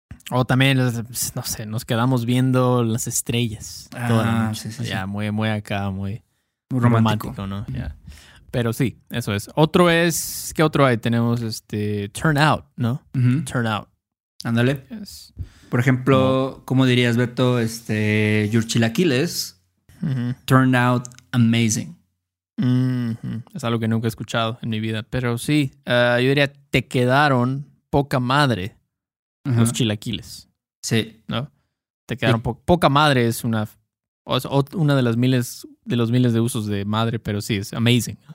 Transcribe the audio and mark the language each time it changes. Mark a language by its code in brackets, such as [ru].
[es] O también, no sé, nos quedamos viendo las estrellas. Toda la noche. Sí, sí, ya, sí. Muy, muy acá, muy, muy romántico. Romántico, ¿no? Mm-hmm. [en] Yeah. [es] Pero sí, eso es. Otro es, ¿qué otro hay? Tenemos turn out, ¿no? Mm-hmm. [en] Turn out. [es] Ándale. [en] Yes. [es] Por ejemplo, ¿cómo dirías, Beto? [en] Your chilaquiles turned out amazing. Mm-hmm. [es] Es algo que nunca he escuchado en mi vida. Pero sí, yo diría, te quedaron poca madre. Uh-huh. Los chilaquiles. Sí. ¿No? Te quedaron poca madre. Es una de las miles de usos de madre, pero sí, es amazing.